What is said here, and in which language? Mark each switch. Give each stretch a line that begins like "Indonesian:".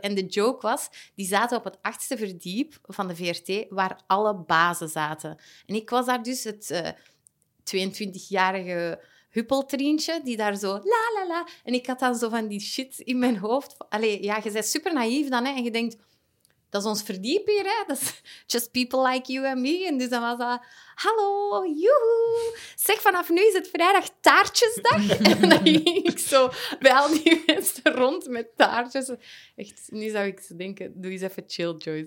Dutch: En de joke was, die zaten op het 8e verdiep van de VRT, waar alle bazen zaten. En ik was daar dus het 22-jarige huppeltrientje die daar zo la la la. En ik had dan zo van die shit in mijn hoofd. Allee, ja, je bent super naïef dan, hè, en je denkt, dat is ons verdiep hier, hè? Dat is
English: just people like you and me.
Dutch: En dus dan was dat, hallo, joehoe. Zeg, vanaf nu is het vrijdag taartjesdag. En dan ging ik zo bij al die mensen rond met taartjes. Echt, nu zou ik denken, doe eens even chill, Joyce.